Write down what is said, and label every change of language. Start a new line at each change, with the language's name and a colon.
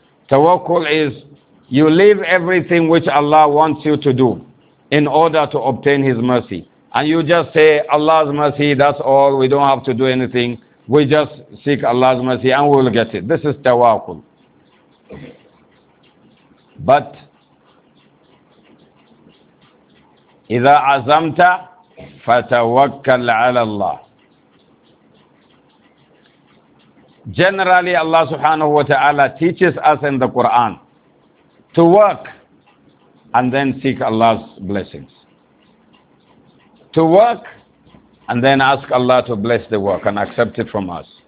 English: Tawakkul is you leave everything which Allah wants you to do in order to obtain His mercy. And you just say, Allah's mercy, that's all. We don't have to do anything. We just seek Allah's mercy and we'll get it. This is tawakkul. But
Arabic: إِذَا عَزَمْتَ فَتَوَكَّلْ عَلَى اللَّهِ.
English: Generally, Allah subhanahu wa ta'ala teaches us in the Quran to work and then seek Allah's blessings. To work and then ask Allah to bless the work and accept it from us.